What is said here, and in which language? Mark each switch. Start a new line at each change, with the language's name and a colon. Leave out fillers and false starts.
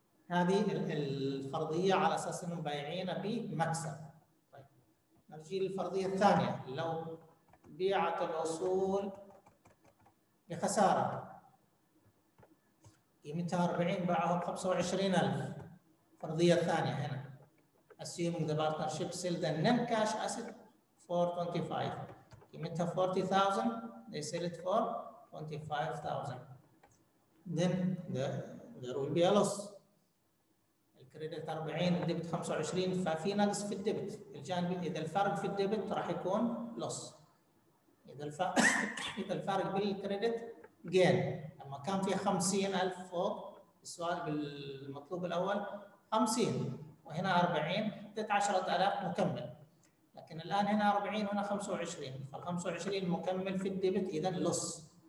Arabic: هذه الفرضية على أساس أنهم بايعين بمكسب. طيب نرجع للفرضية الثانية، لو بيعت الأصول بخسارة قيمتها 40 باعوها ب 25,000. فرضية ثانية هنا
English: assuming the partnership sell the non cash asset for 25
Arabic: قيمتها 40,000
English: they sell it for 25,000 then there will be a loss.
Arabic: كريدت 40 ديبت 25، ففي نقص في الديبت الجانبي. اذا الفرق في الديبت راح يكون لوس، اذا الفرق بالكريدت جين. لما كان في 50,000 فوق السؤال بالمطلوب الاول 50 وهنا 40 ديبت 10,000 مكمل، لكن الان هنا 40 وهنا 25، فال 25 مكمل في الديبت اذا لوس.